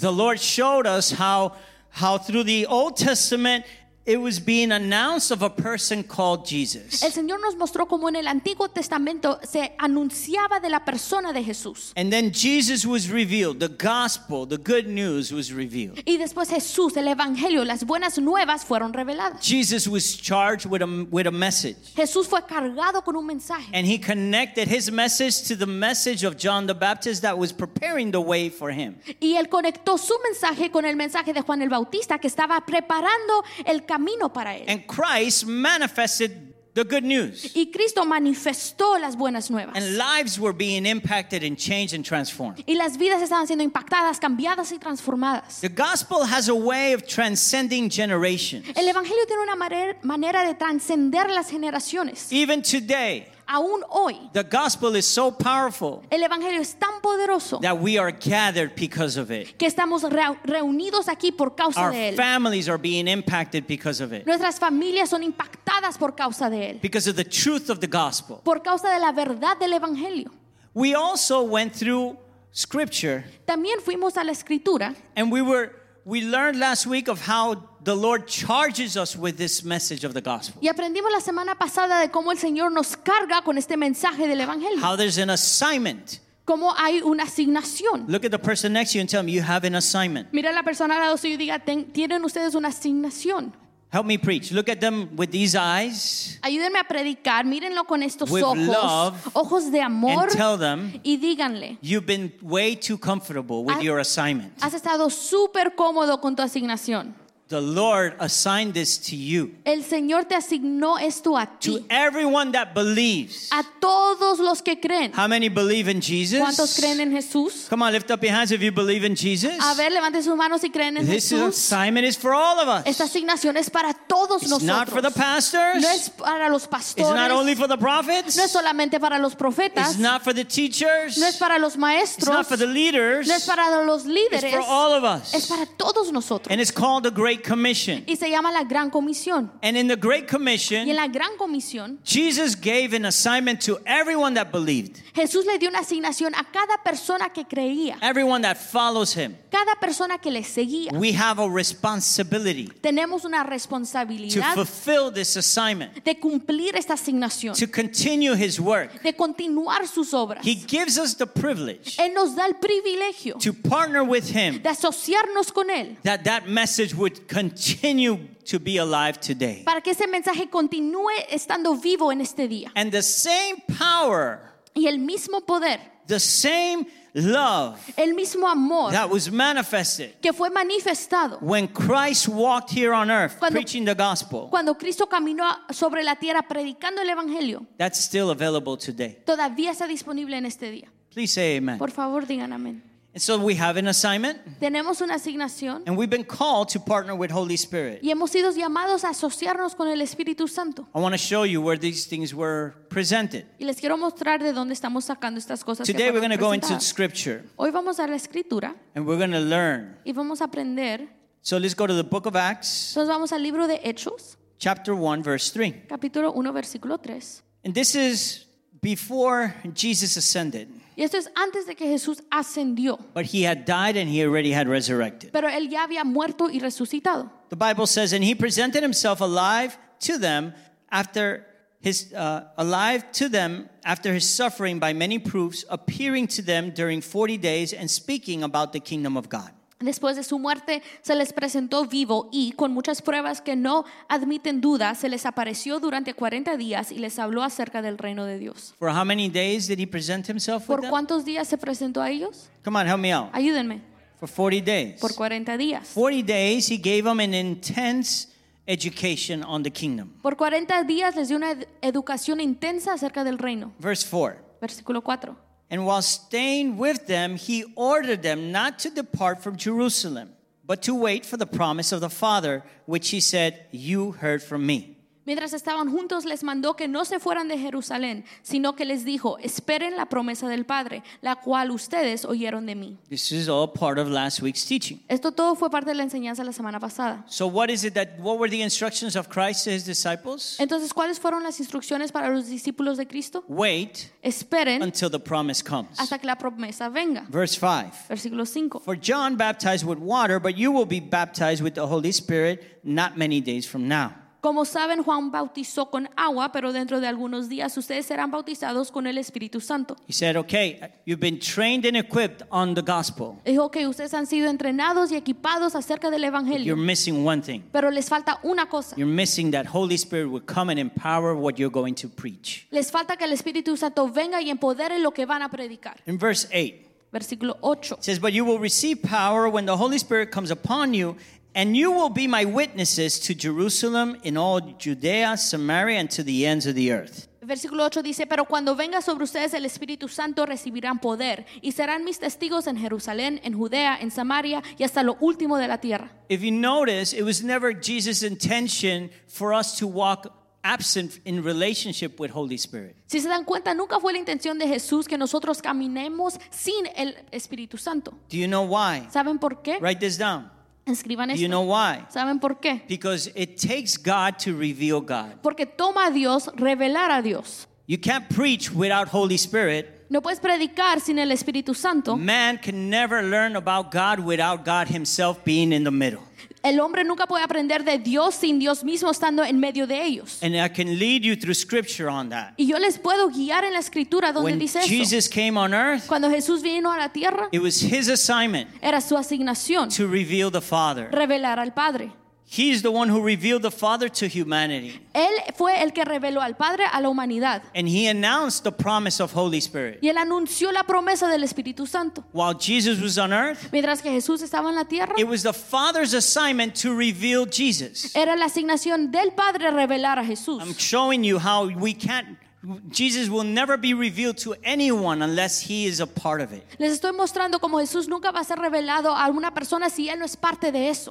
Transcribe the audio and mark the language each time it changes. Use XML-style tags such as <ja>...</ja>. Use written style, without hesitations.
<en>The Lord showed us how through the Old Testament it was being announced of a person called Jesus.</en> <es>El Señor nos mostró cómo en el Antiguo Testamento se anunciaba de la persona de Jesús.</es> <en>And then Jesus was revealed. The gospel, the good news was revealed.</en> <es>Y después Jesús, el evangelio, las buenas nuevas fueron reveladas.</es> <en>Jesus was charged with a message.</en> <es>Jesús fue cargado con un mensaje.</es> <en>And he connected his message to the message of John the Baptist that was preparing the way for him.</en> <es>Y él conectó su mensaje con el mensaje de Juan el Bautista que estaba preparando el camino para él.</es> <en>And Christ manifested the good news.</en> <es>Y Cristo manifestó las buenas nuevas.</es> <en>And lives were being impacted and changed and transformed.</en> <es>Y las vidas estaban siendo impactadas, cambiadas y transformadas.</es> <en>The gospel has a way of transcending generations.</en> <es>El evangelio tiene una manera de transcender las generaciones.</es> <en>Even today.</en> <es>Aún hoy,</es> <en>the gospel is so powerful.</en> <es>El evangelio es tan poderoso.</es> <en>That we are gathered because of it.</en> <es>Que estamos reunidos aquí por causa</es> <en>our</en> <es>de él.</es> <en>Our families are being impacted because of it.</en> <es>Nuestras familias son impactadas por causa de él.</es> <en>Because of the truth of the gospel.</en> <es>Por causa de la verdad del evangelio.</es> <en>We also went through scripture.</en> <es>También fuimos a la escritura.</es> <en>And we learned last week of how the Lord charges us with this message of the gospel.</en> <es>Y aprendimos la semana pasada de cómo el Señor nos carga con este mensaje del evangelio.</es> <en>How there's an assignment.</en> <es>Cómo hay una asignación.</es> <en>Look at the person next to you and tell them you have an assignment.</en> <es>Mira a la persona al lado suyo y diga tienen ustedes una asignación.</es> <en>Help me preach. Look at them with these eyes.</en> <es>Ayúdenme a predicar. Mírenlo con estos</es> <en>with</en> <es>ojos.</es> <en>Love,</en> <es>ojos de amor.</es> <en>And tell them.</en> <es>Y díganle.</es> <en>You've been way too comfortable with your assignment.</en> <es>Has estado súper cómodo con tu asignación.</es> <en>The Lord assigned this to you.</en> <es>El Señor te asignó esto a ti.</es> <en>To everyone that believes.</en> <es>A todos los que creen.</es> <en>How many believe in Jesus?</en> <es>¿Cuántos creen en Jesús?</es> <en>Come on, lift up your hands if you believe in Jesus.</en> <es>A ver, levante sus manos si creen en</es> <en>Jesús. This assignment is for all of us.</en> <es>Esta asignación es para todos. todos</es> <en>it's</en> <es>nosotros.</es> <en>Not for the pastors.</en> <es>No es para los pastores.</es> <en>It's not only for the prophets.</en> <es>No es solamente para los profetas.</es> <en>It's not for the teachers.</en> <es>No es para los maestros.</es> <en>It's not for the leaders.</en> <es>No es para los líderes.</es> <en>It's for all of us.</en> <es>Es para todos nosotros.</es> <en>And it's called the Great Commission.</en> <es>Y se llama la Gran Comisión.</es> <en>And in the Great Commission,</en> <es>y en la Gran Comisión,</es> <en>Jesus gave an assignment to everyone that believed.</en> <es>Jesús le dio una asignación a cada persona que creía.</es> <en>Everyone that follows him.</en> <es>Cada persona que le seguía.</es> <en>We have a responsibility.</en> <es>Tenemos una responsabilidad.</es> <en>To fulfill this assignment.</en> <es>De cumplir esta asignación.</es> <en>To continue his work.</en> <es>De continuar sus obras.</es> <en>He gives us the privilege.</en> <es>Él nos da el privilegio.</es> <en>To partner with him.</en> <es>De asociarnos con él.</es> <en>That that message would continue to be alive today.</en> <es>Para que ese mensaje continúe estando vivo en este día.</es> <en>And the same power.</en> <es>Y el mismo poder.</es> <en>The same love.</en> <es>El mismo amor.</es> <en>That was manifested.</en> <es>Que fue manifestado.</es> <en>When Christ walked here on earth</en> <es>cuando,</es> <en>preaching the gospel.</en> <es>Cuando Cristo caminó sobre la tierra predicando el evangelio.</es> <en>That's still available today.</en> <es>Todavía está disponible en este día.</es> <en>Please say amen.</en> <es>Por favor, digan amén.</es> <en>And so we have an assignment.</en> <es>Tenemos una asignación.</es> <en>And we've been called to partner with Holy Spirit.</en> <es>Y hemos sido llamados a asociarnos con el Espíritu Santo.</es> <en>I want to show you where these things were presented.</en> <es>Y les quiero mostrar de dónde estamos sacando estas cosas.</es> <en>Today we're going to go into Scripture.</en> <es>Hoy vamos a la Escritura.</es> <en>And we're going to learn.</en> <es>Y vamos a aprender.</es> <en>So let's go to the book of Acts.</en> <es>Entonces vamos al libro de Hechos.</es> <en>Chapter 1, verse 3.</en> <es>Capítulo 1, versículo 3.</es> <en>And this is before Jesus ascended.</en> <es>Y esto es antes de que Jesús ascendió.</es> <en>But he had died and he already had resurrected.</en> <es>Pero él ya había muerto y resucitado.</es> <en>The Bible says, and he presented himself alive to them after his suffering by many proofs, appearing to them during 40 days and speaking about the kingdom of God.</en> <es>Después de su muerte se les presentó vivo y con muchas pruebas que no admiten duda se les apareció durante 40 días y les habló acerca del reino de Dios.</es> <en>For how many days did he present himself with them?</en> <es>¿Por cuántos días se presentó a ellos?</es> <en>Come on, help me out.</en> <es>Ayúdenme.</es> <en>For 40 days.</en> <es>Por 40 días.</es> <en>40 days he gave them an intense education on the kingdom.</en> <es>Por 40 días les dio una educación intensa acerca del reino.</es> <en>Verse 4.</en> <es>Versículo 4.</es> <en>And while staying with them, he ordered them not to depart from Jerusalem, but to wait for the promise of the Father, which he said, you heard from me.</en> <es>Mientras estaban juntos, les mandó que no se fueran de Jerusalén, sino que les dijo, esperen la promesa del Padre, la cual ustedes oyeron de mí.</es> <en>This is all part of last week's teaching.</en> <es>Esto todo fue parte de la enseñanza la semana pasada.</es> <en>So what is it that, what were the instructions of Christ to his disciples?</en> <es>Entonces, ¿cuáles fueron las instrucciones para los discípulos de Cristo?</es> <en>Wait.</en> <es>Esperen.</es> <en>Until the promise comes.</en> <es>Hasta que la promesa venga.</es> <en>Verse 5.</en> <es>Versículo 5.</es> <en>For John baptized with water, but you will be baptized with the Holy Spirit not many days from now.</en> <es>Como saben, Juan bautizó con agua, pero dentro de algunos días ustedes serán bautizados con el Espíritu Santo.</es> <en>He said, okay, you've been trained and equipped on the gospel.</en> <es>Dijo, okay, ustedes han sido entrenados y equipados acerca del Evangelio.</es> <en>You're missing one thing.</en> <es>Pero les falta una cosa.</es> <en>You're missing that Holy Spirit will come and empower what you're going to preach.</en> <es>Les falta que el Espíritu Santo venga y empodere lo que van a predicar.</es> <en>In verse 8.</en> <es>Versículo 8.</es> <en>It says, but you will receive power when the Holy Spirit comes upon you. And you will be my witnesses to Jerusalem in all Judea, Samaria, and to the ends of the earth.</en> <es>Versículo 8 dice, pero cuando venga sobre ustedes el Espíritu Santo recibirán poder y serán mis testigos en Jerusalén, en Judea, en Samaria y hasta lo último de la tierra.</es> <en>If you notice, it was never Jesus' intention for us to walk absent in relationship with Holy Spirit.</en> <es>Si se dan cuenta, nunca fue la intención de Jesús que nosotros caminemos sin el Espíritu Santo.</es> <en>Do you know why?</en> <es>¿Saben por qué?</es> <en>Write this down.</en> <es>Escriban esto.</es> <en>You know why?</en> <es>¿Saben por qué?</es> <en>Because it takes God to reveal God.</en> <es>Porque toma a Dios revelar a Dios.</es> <en>You can't preach without Holy Spirit.</en> <es>No puedes predicar sin el Espíritu Santo.</es> <en>Man can never learn about God without God himself being in the middle.</en> <es>El hombre nunca puede aprender de Dios sin Dios mismo estando en medio de ellos.</es> <en>And I can lead you through scripture on that.</en> <es>Y yo les puedo guiar en la escritura donde</es> <en>when</en> <es>dice</es> <en>Jesus</en> <es>eso.</es> <en>Came on earth,</en> <es>cuando Jesús vino a la tierra,</es> <en>it was his assignment</en> <es>era su asignación</es> <en>to reveal the Father.</en> <es>Revelar al Padre.</es> <en>He's the one who revealed the Father to humanity.</en> <es>Él fue el que reveló al Padre a la humanidad.</es> <en>And he announced the promise of Holy Spirit.</en> <es>Y él anunció la promesa del Espíritu Santo.</es> <en>While Jesus was on earth,</en> <es>mientras que Jesús estaba en la tierra,</es> <en>it was the Father's assignment to reveal Jesus.</en> <es>Era la asignación del Padre revelar a Jesús.</es> <en>I'm showing you how we can't Jesus will never be revealed to anyone unless he is a part of it.</en> <es>Les estoy mostrando cómo Jesús nunca va a ser revelado a una persona si él no es parte de eso.</es>